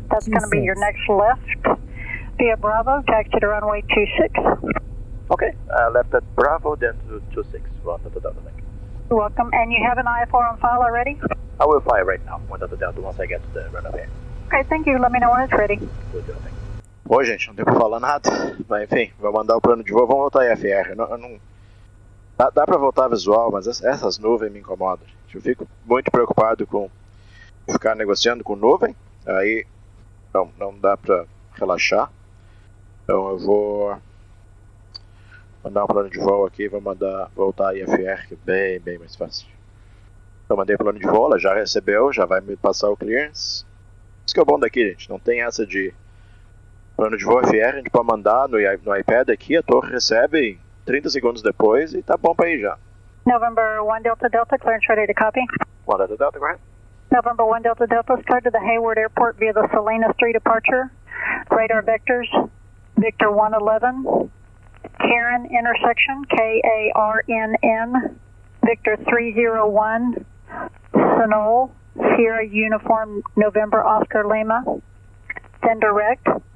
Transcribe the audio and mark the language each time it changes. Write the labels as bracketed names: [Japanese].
[English] That's going to be your next left via Bravo, taxi to runway 26. Okay, left at Bravo, then to 26, 1 Delta Delta, thank you. You're welcome. And you have an IFR on file already? I will fly it right now, one Delta Delta, once I get to the runway. Okay, thank you. Let me know when it's ready. [Portuguese] Bom, gente, não tem pra falar nada, mas enfim, vou mandar o plano de voo, vamos voltar a IFR. Dá pra voltar visual, mas essas nuvens me incomodam, gente. Eu fico muito preocupado com ficar negociando com nuvem, aí não dá pra relaxar. Então eu vou mandar um plano de voo aqui, vou mandar voltar a IFR, que é bem mais fácil. Eu mandei plano de voo, ela já recebeu, já vai me passar o clearance. Isso que é o bom daqui, gente, não tem essa de plano de voo FR, a gente pode mandar no iPad aqui, a torre recebe 30 segundos depois e tá bom pra ir já. [English] November 1 Delta Delta, clearance ready to copy. 1 Delta Delta, grant. November 1 Delta Delta, start to the Hayward Airport via the Salina Street departure. Radar vectors, Victor 111, Karen intersection, K-A-R-N-N, Victor 301, Sanol, Sierra Uniform, November Oscar Lima, then direct.